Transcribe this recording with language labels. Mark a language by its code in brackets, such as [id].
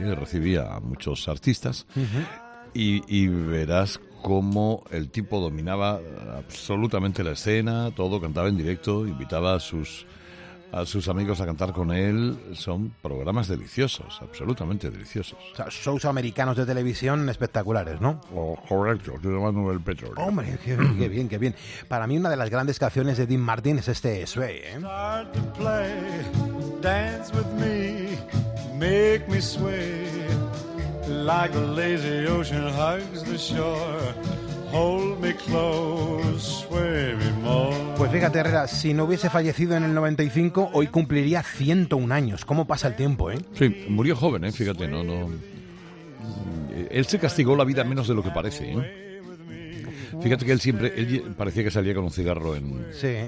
[es] Recibía a muchos artistas. Uh-huh. Y verás cómo el tipo dominaba absolutamente la escena, todo, cantaba en directo, invitaba a sus amigos a cantar con él. Son programas deliciosos, absolutamente deliciosos. O sea, shows americanos de televisión espectaculares, ¿no? Oh, correcto, se llama Manuel Petrol. Hombre, qué bien, qué bien. Para mí una de las grandes canciones de Dean Martin es este Sway, ¿eh? [en] Start to play, dance with me, make me sway, like a lazy ocean hugs the shore. Hold me close, sway me more. [es] Pues fíjate, Herrera, si no hubiese fallecido en el 95, hoy cumpliría 101 años. ¿Cómo pasa el tiempo, eh? Sí, murió joven, fíjate, no. Él se castigó la vida menos de lo que parece, ¿eh? Fíjate que él parecía que salía con un cigarro en... Sí.